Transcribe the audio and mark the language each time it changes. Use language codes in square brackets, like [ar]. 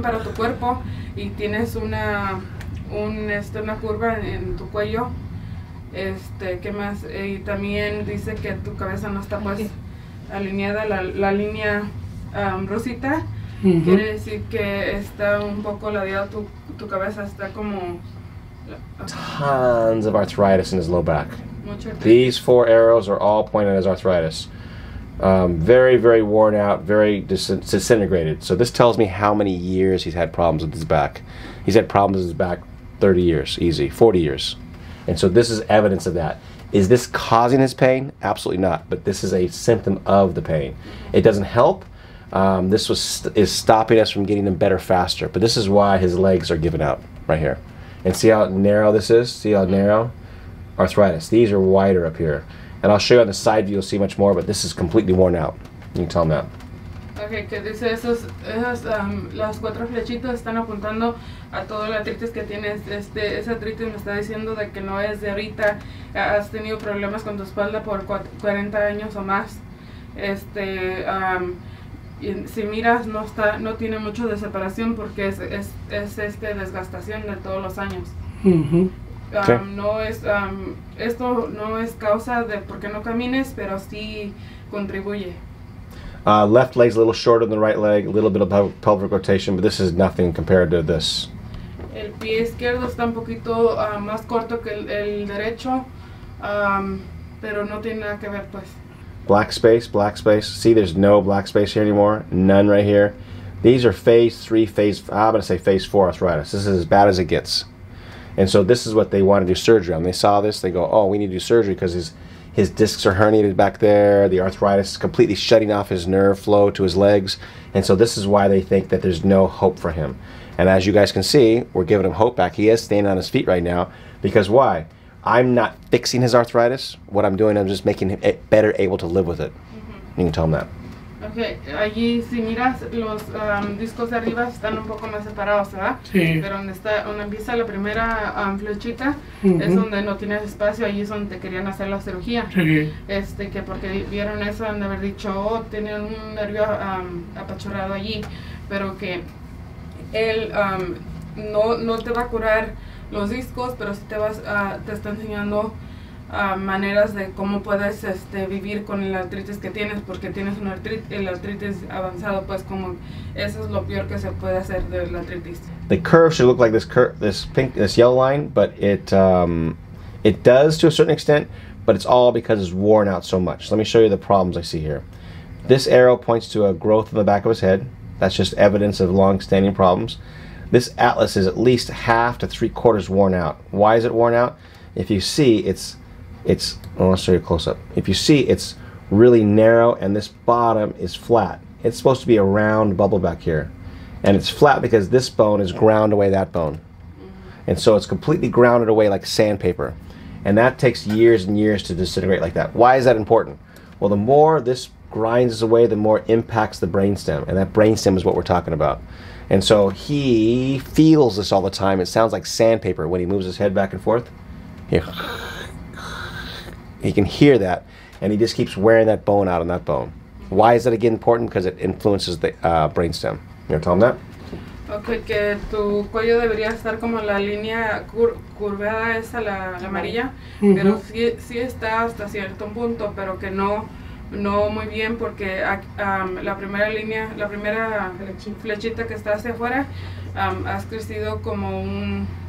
[es] para tu cuerpo, y tienes una curva en tu cuello. ¿Qué más? Y también dice que tu cabeza no está pues alineada, la línea rosita. Uh-huh. Quiere decir que está un poco ladeado tu cabeza, está como [en] tons of arthritis in his low back. [es] Mucho. [en] These four arrows are all pointed as arthritis. Very, very worn out, very disintegrated. So this tells me how many years he's had problems with his back. He's had problems with his back 30 years, easy, 40 years. And so this is evidence of that. Is this causing his pain? Absolutely not, but this is a symptom of the pain. It doesn't help. This is stopping us from getting him better faster, but this is why his legs are giving out right here. And see how narrow this is? See how narrow? Arthritis. These are wider up here. And I'll show you on the side view, you'll see much more, but this is completely worn out. You can tell him that. [es] Okay, que dice las cuatro flechitas están apuntando a toda la artritis que tienes. Esa artritis me está diciendo de que no es de ahorita. Has tenido problemas con tu espalda por 40 años o más. Y si miras, no tiene mucho de separación porque es desgastación de todos los años. Mm-hmm. Okay. Esto no es causa de por qué no camines, pero sí contribuye. [en] Left leg's a little shorter than the right leg, a little bit of pelvic rotation, but this is nothing compared to this. [es] El pie izquierdo está un poquito más corto que el derecho, pero no tiene nada que ver, pues. [en] Black space. See, there's no black space here anymore. None right here. These are phase 4 arthritis. This is as bad as it gets. And so this is what they want to do surgery on. They saw this, they go, oh, we need to do surgery because his discs are herniated back there, the arthritis is completely shutting off his nerve flow to his legs, and so this is why they think that there's no hope for him. And as you guys can see, we're giving him hope back. He is standing on his feet right now, because why? I'm not fixing his arthritis. What I'm doing, I'm just making him better able to live with it. Mm-hmm. You can tell him that. [es] Okay, allí si miras los discos de arriba están un poco más separados, ¿verdad? Sí. Pero donde está, donde empieza la primera flechita, uh-huh. es donde no tienes espacio, allí es donde te querían hacer la cirugía. Sí. Este, que porque vieron eso, han de haber dicho, oh, tiene un nervio apachurrado allí, pero que él no te va a curar los discos, pero sí te vas, te está enseñando maneras de cómo puedes vivir con la artritis que tienes, porque tienes una artritis avanzado, pues como eso es lo peor que se puede hacer de la artritis. [en] The curve should look like this this yellow line, but it does to a certain extent, but it's all because it's worn out so much. Let me show you the problems I see here. This arrow points to a growth of the back of his head. That's just evidence of long-standing problems. This atlas is at least half to three quarters worn out. Why is it worn out? If you see, it's well, I'll show you a close up. If you see, it's really narrow and this bottom is flat. It's supposed to be a round bubble back here. And it's flat because this bone is ground away that bone. And so it's completely grounded away like sandpaper. And that takes years and years to disintegrate like that. Why is that important? Well, the more this grinds away, the more it impacts the brainstem. And that brainstem is what we're talking about. And so he feels this all the time. It sounds like sandpaper when he moves his head back and forth. He can hear that, and he just keeps wearing that bone out on that bone. Why is that again important? Because it influences the brainstem. You want to tell him that? [es] Okay, que tu cuello debería estar como la línea curvada esa, la amarilla. Mm-hmm. Pero sí está hasta cierto punto, pero que no muy bien, porque la primera línea, la primera flechita que está hacia afuera, has crecido como un...